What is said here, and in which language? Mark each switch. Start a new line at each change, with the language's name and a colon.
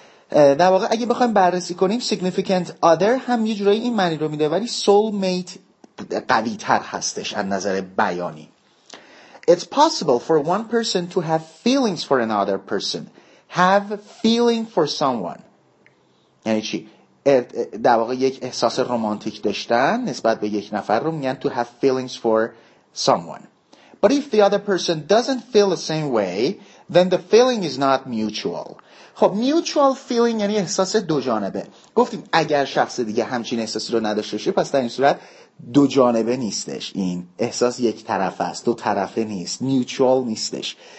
Persian: در واقع اگه بخوایم بررسی کنیم،
English: significant other
Persian: هم یه جورایی این معنی رو میده، ولی soulmate قوی تر هستش از نظر بیانی.
English: It's possible for one person to have feelings for another person. Have feeling for someone
Persian: یعنی چی؟ در واقع یک احساس رمانتیک داشتن نسبت به یک نفر رو میگن
English: to have feelings for someone. But if the other person doesn't feel the same way, then the feeling is not mutual.
Persian: خب
English: mutual feeling
Persian: یعنی احساس دو جانبه. گفتیم اگر شخص دیگه همچین احساسی رو نداشته باشه، پس در این صورت دو جانبه نیستش. این احساس یک طرف است، دو طرفه نیست، mutual نیستش.